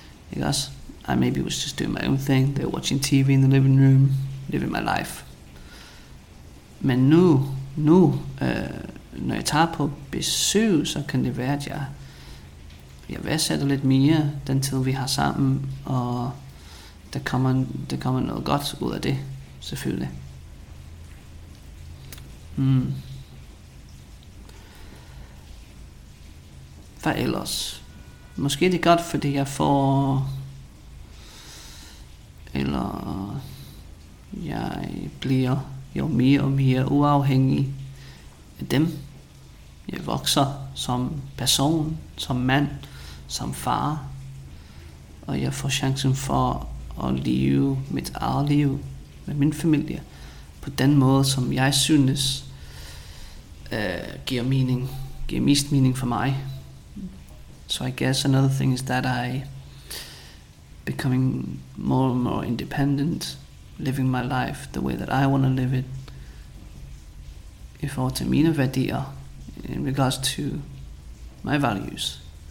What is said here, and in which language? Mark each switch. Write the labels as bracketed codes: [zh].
[en] Because I maybe was just doing my own thing. They were watching TV in the living room, living my life. [da] Men nu, når jeg tager på besøg, så kan det være, at jeg værdsætter lidt mere den tid, vi har sammen, og der kommer noget godt ud af det, selvfølgelig. Hvad ellers? Måske er det godt, fordi jeg får, eller jeg bliver jo mere og mere uafhængig af dem. Jeg vokser som person, som mand, som far, og jeg får chancen for at leve mit eget liv med min familie på den måde, som jeg synes giver mening, giver mest mening for mig. [en] So I guess another thing is that I becoming more and more independent, living my life the way that I want to live it, [da] i forhold til mine værdier, [en] in regards to my values.